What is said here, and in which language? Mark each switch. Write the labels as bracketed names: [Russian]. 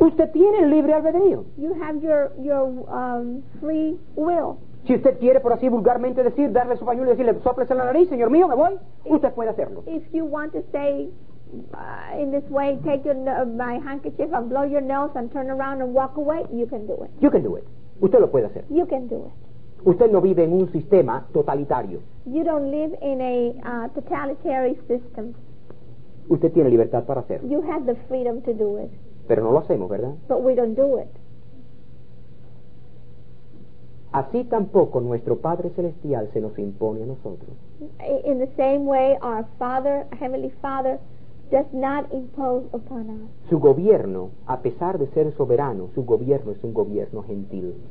[Spanish] Usted tiene el libre albedrío. [English] You have your free will. [Spanish] Si usted quiere, por así vulgarmente decir, darle su pañuelo y decirle, sóplese la nariz, señor mío, me voy, usted puede hacerlo. [English] If you want to say in this way, take my handkerchief and blow your nose and turn around and walk away, you can do it. You can do it. [Spanish] Usted lo puede hacer. [English] You can do it. [Spanish] Usted no vive en un sistema totalitario. [English] You don't live in a totalitarian system. [Spanish] Usted tiene libertad para hacerlo. [English] You have the freedom to do it. [Spanish] Pero no lo hacemos, ¿verdad? [English] But we don't do it. [Spanish] Así tampoco nuestro Padre Celestial se nos impone a nosotros. [English] In the same way, our Father, Heavenly Father, does not impose upon us. [Spanish] Su gobierno, a pesar de ser soberano, su gobierno es un gobierno gentil.